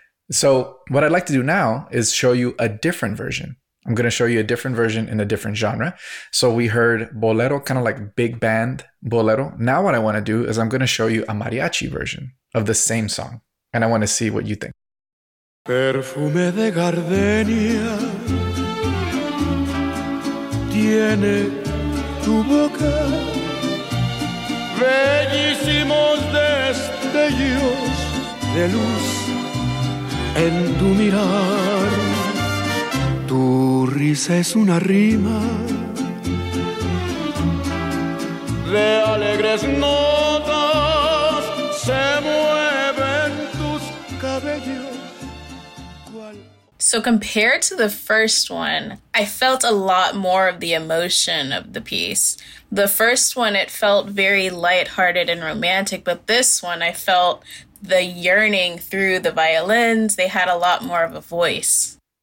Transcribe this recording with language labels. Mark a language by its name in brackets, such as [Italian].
[English] So what I'd like to do now is show you a different version. I'm going to show you a different version in a different genre. So we heard bolero, kind of like big band bolero. Now what I want to do is I'm going to show you a mariachi version of the same song. And I want to see what you think. [Spanish] Perfume de gardenia tiene tu boca, bellísimos destellos de luz en tu mirar. Tu risa es una rima de alegres notas, se mueven tus cabellos. [English] So compared to the first one, I felt a lot more of the emotion of the piece. The first one, it felt very lighthearted and romantic, but this one, I felt the yearning through the violins. They had a lot more of a voice.